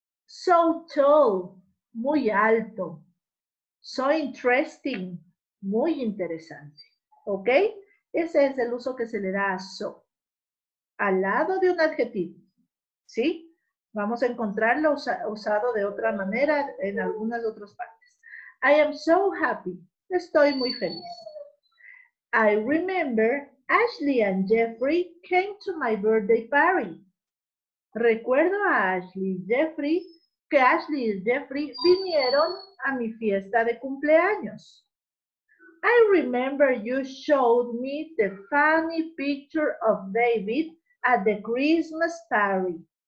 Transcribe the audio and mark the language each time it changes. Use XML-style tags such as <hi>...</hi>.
<en>So tall, muy alto. So interesting, muy interesante. ¿Ok?</en> <es>Ese es el uso que se le da a so. Al lado de un adjetivo, ¿sí? Vamos a encontrarlo usado de otra manera en algunas otras partes.</es> <en>I am so happy. Estoy muy feliz. I remember Ashley and Jeffrey came to my birthday party.</en> <es>Recuerdo a Ashley y Jeffrey, que Ashley y Jeffrey vinieron a mi fiesta de cumpleaños.</es> <en>I remember you showed me the funny picture of David at the Christmas party.</en>